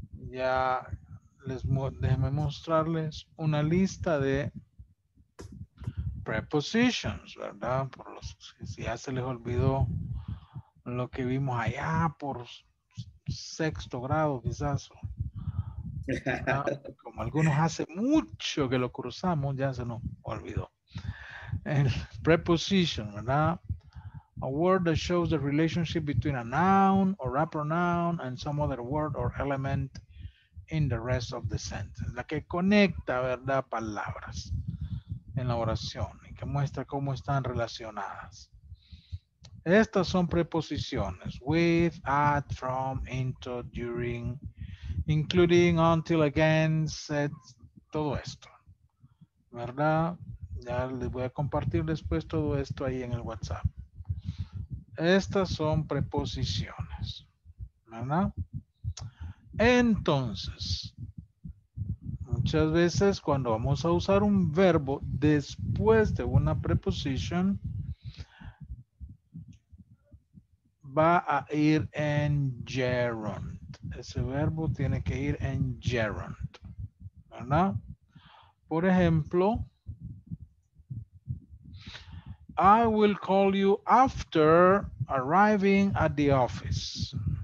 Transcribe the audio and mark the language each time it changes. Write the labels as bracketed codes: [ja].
[es] Ya les déjenme mostrarles una lista de prepositions, ¿verdad? Por los si ya se les olvidó lo que vimos allá por sexto grado, quizás. Como algunos hace mucho que lo cruzamos, ya se nos olvidó. El preposition, ¿verdad? [en] A word that shows the relationship between a noun or a pronoun and some other word or element in the rest of the sentence. [es] La que conecta, ¿verdad? Palabras en la oración y que muestra cómo están relacionadas. Estas son preposiciones. [en] With, at, from, into, during, including, until, against, [es] et, todo esto. ¿Verdad? Ya les voy a compartir después todo esto ahí en el WhatsApp. Estas son preposiciones. ¿Verdad? Entonces, muchas veces cuando vamos a usar un verbo después de una preposición, va a ir en gerund. Ese verbo tiene que ir en gerund. ¿Verdad? Por ejemplo, [en] I will call you after arriving at the office.